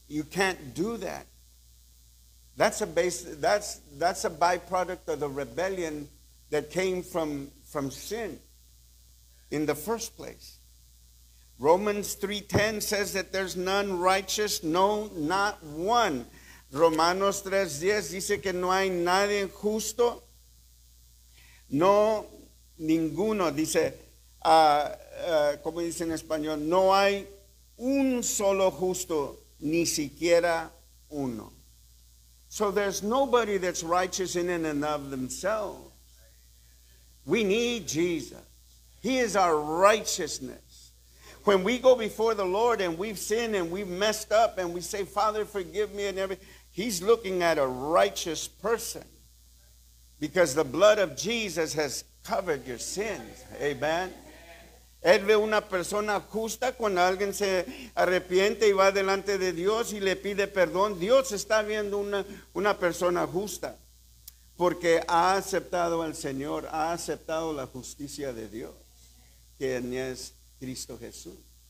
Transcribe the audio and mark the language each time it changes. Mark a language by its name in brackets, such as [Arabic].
[English] You can't do that. That's a byproduct of the rebellion that came from sin in the first place. Romans 3:10 says that there's none righteous, no, not one. [Spanish] Romanos 3:10 dice que no hay nadie justo, no ninguno. Dice, como dice en español, no hay un solo justo, ni siquiera uno. [English] So there's nobody that's righteous in and of themselves. We need Jesus. He is our righteousness. When we go before the Lord and we've sinned and we've messed up and we say, Father, forgive me and everything, He's looking at a righteous person because the blood of Jesus has covered your sins. Amen. [Spanish] Él ve una persona justa cuando alguien se arrepiente y va delante de Dios y le pide perdón. Dios está viendo una persona justa porque ha aceptado al Señor, ha aceptado la justicia de Dios, quien es Cristo Jesús.